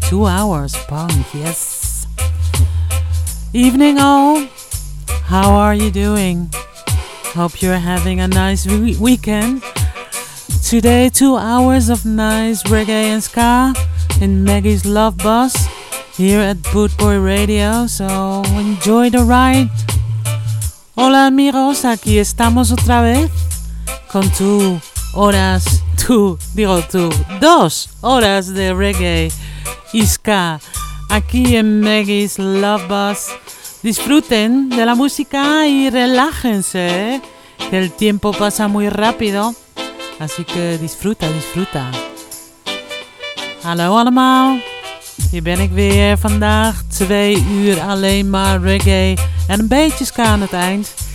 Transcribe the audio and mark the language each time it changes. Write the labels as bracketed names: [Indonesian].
[English] 2 hours punk, yes. Evening all, how are you doing? Hope you're having a nice weekend. Today, 2 hours of nice reggae and ska in Maggie's Love Bus here at Boot Boy Radio, so enjoy the ride. [Spanish] Hola amigos, aquí estamos otra vez con dos horas de reggae y ska aquí en Maggie's Love Bus. Disfruten de la música y relájense, que el tiempo pasa muy rápido, así que disfruta. [Dutch] Hallo allemaal, hier ben ik weer vandaag, 2 uur alleen maar reggae en een beetje ska aan het eind.